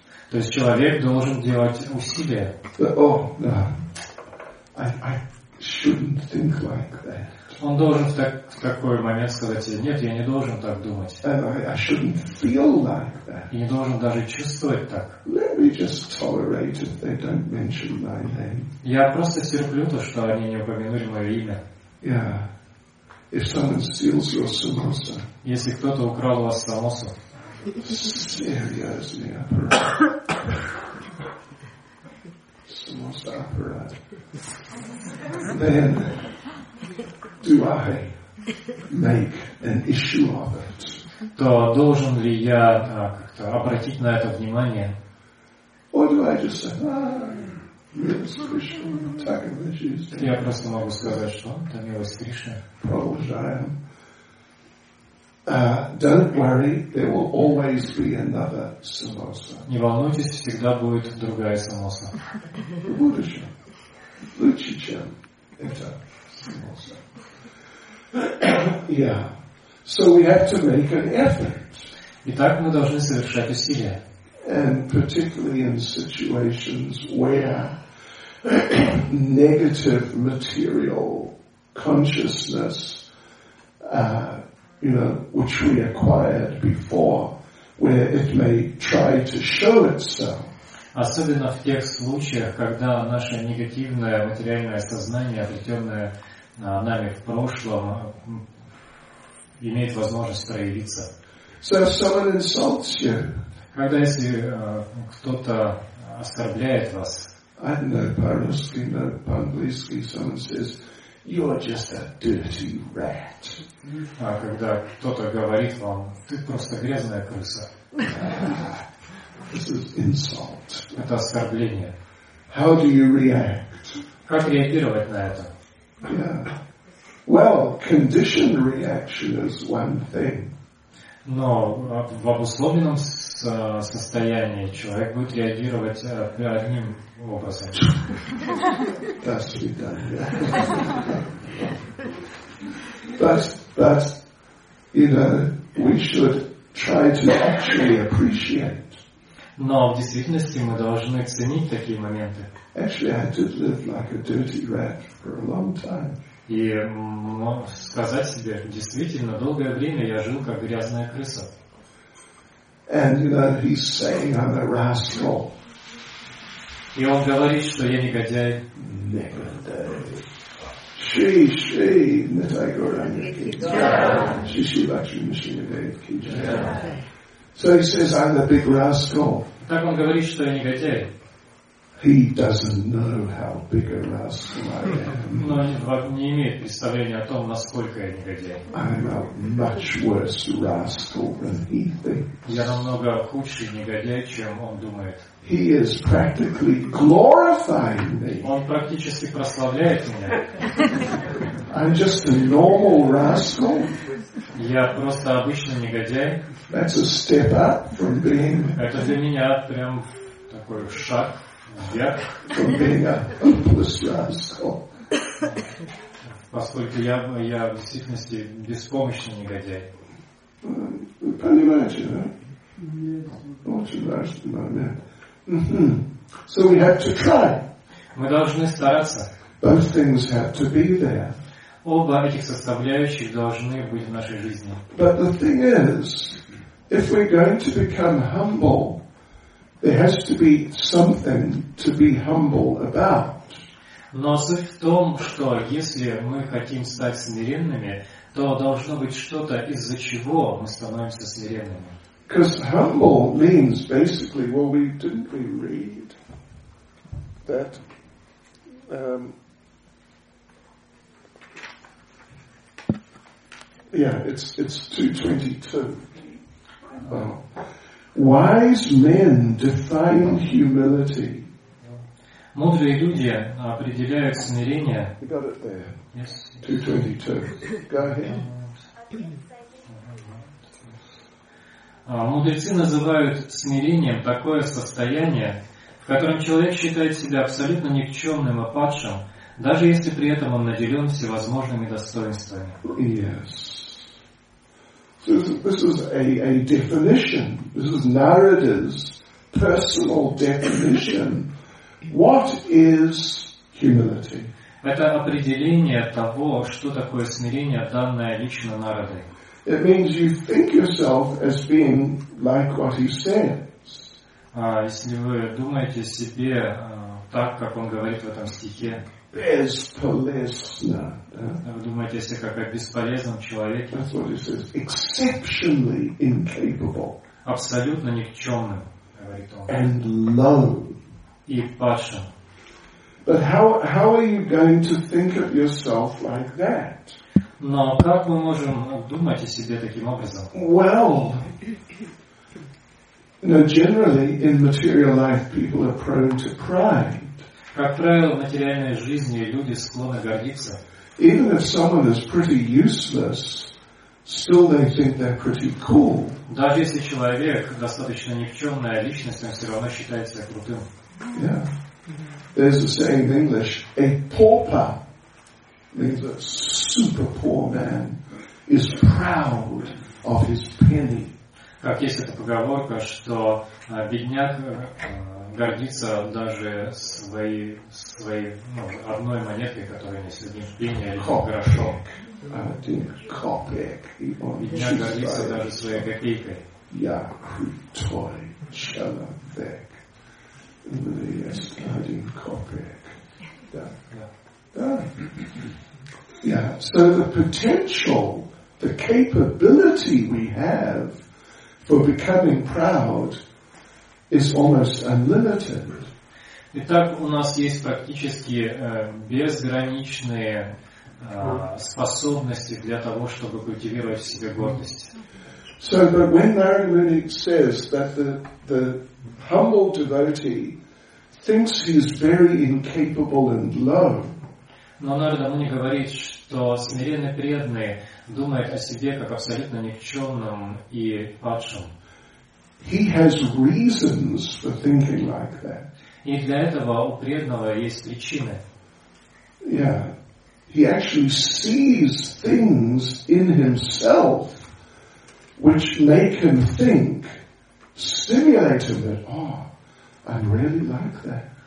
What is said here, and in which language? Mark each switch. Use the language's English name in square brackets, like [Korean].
[Russian] То есть человек должен делать усилия. [English] Oh, no. I shouldn't think like that. [Russian] Он должен в такой момент сказать себе, нет, я не должен так думать. [English] And I shouldn't feel like that. [Russian] И не должен даже чувствовать так. [English] Let me just tolerate if they don't mention my name. [Russian] Я просто терплю то, что они не упомянули мое имя. [English] Yeah. If someone steals your samosa. [Russian] Если кто-то украл у вас самосу. [English] Seriously, apparat. Samosa apparat. Then do I make an issue of it? [Russian] То должен ли я как-то обратить на это внимание? [English] Or do I just say, yes, Krishna, [Russian] так и вышли? Я просто могу сказать, что это милость Кришны. Продолжаем. [English] Don't worry, there will always be another samosa. [Russian] Не волнуйтесь, всегда будет другая самоса. В будущем. Лучше, чем это самоса. Yeah. [English] So we have to make an effort. [Russian] Итак, мы должны совершать усилия. [English] And particularly in situations where negative material consciousness, you know, which we acquired before, where it may try to show itself. [Russian] Особенно в тех случаях, когда наше негативное материальное сознание, обретенное нами в прошлом, имеет возможность проявиться. [English] So if someone insults you, [Russian] когда если кто-то оскорбляет вас, [English] I don't know [Russian] по-русски, но по-английски [English] someone says, you are just a dirty rat. [Russian] А когда кто-то говорит вам, ты просто грязная крыса. [English] This is insult. [Russian] Это оскорбление. [English] How do you react? [Russian] Как реагировать на это? [English] Yeah. Well, conditioned reaction is one thing. [Russian] Но в обусловленном состоянии человек будет реагировать одним образом. До свидания. [English] But, you know, we should try to actually appreciate. [Russian] Но в действительности мы должны ценить такие моменты. [English] Actually, I had to live like a dirty rat for a long time. [Russian] И сказать себе, действительно, долгое время я жил как грязная крыса. [English] And you know, he's saying I'm a rascal. [Russian] И он говорит, что я негодяй. Так он говорит, что я негодяй. [English] He doesn't know how big a rascal I am. [Russian] Но он не имеет представления о том, насколько я негодяй. [English] I'm a much worse rascal than he thinks. [Russian] Я намного худший негодяй, чем он думает. [English] He is practically glorifying me. [Russian] Он практически прославляет меня. [English] I'm just a normal rascal. [Russian] Я просто обычный негодяй. [English] That's a step up from being. [Russian] Это для меня прям такой шаг. [English] From being a hopeless rascal. [Russian] Поскольку я в действительности беспомощный негодяй. Понимаете, да? Очень важный момент. [English] So we have to try. [Russian] Мы должны стараться. [English] Both things have to be there. [Russian] Оба этих составляющих должны быть в нашей жизни. [English] But the thing is, if we're going to become humble, there has to be something to be humble about. [Russian] Но суть в том, что если мы хотим стать смиренными, то должно быть что-то, из-за чего мы становимся смиренными. [English] Because humble means basically, well, we didn't we read that it's 2:22. Wise men define humility. [Russian] Мудрые люди определяют смирение. [English] You got it there. Yes. 2:22. Go ahead. [Russian] Мудрецы называют смирением такое состояние, в котором человек считает себя абсолютно никчемным и падшим, даже если при этом он наделен всевозможными достоинствами. [English] Yes. So this is a definition. This is Narada's personal definition. What is humility? [Russian] Это определение того, что такое смирение, данное лично Нарадой. [English] It means you think yourself as being like what he says. [Russian] Если вы думаете о себе так, как он говорит в этом стихе. Бесполезно. Да? Вы думаете о себе как о бесполезном человеке. [English] That's what he says. Exceptionally incapable. [Russian] Абсолютно никчемным, говорит он. [English] And low. [Russian] И падшим. [English] But how are you going to think of yourself like that? [Russian] Но как мы можем думать о себе таким образом? [English] Well, generally in material life people are prone to pride. [Russian] Как правило, в материальной жизни люди склонны гордиться. [English] Even if someone is pretty useless, still they think they're pretty cool. [Russian] Даже если человек достаточно никчемная личность, он все равно считает себя крутым. [English] Yeah. There's a saying in English, a pauper. Means a super poor man is proud of his penny. [Russian] Как есть эта поговорка, что бедняк гордится даже своей одной монеткой, которая не среди пенни, а лишь грошом. Копеек. Бедняк гордится даже своей копейкой. Я крутой человек. [English] Yes, [Russian] один копеек. Да. Да. [English] Yeah, so the potential, the capability we have for becoming proud is almost unlimited. [Russian] Итак, у нас есть практически безграничные способности для того, чтобы культивировать в себе гордость. [English] So, but when Narada Muni says that the humble devotee thinks he is very incapable and low, [Russian] но Нарада Муни говорит, что смиренный преданный думает о себе как абсолютно никчемном и падшем. [English] He has reasons for thinking like that. [Russian] И для этого у преданного есть причины. [English] Yeah. He actually sees things in himself which make him think, stimulate him that, oh, I really like that.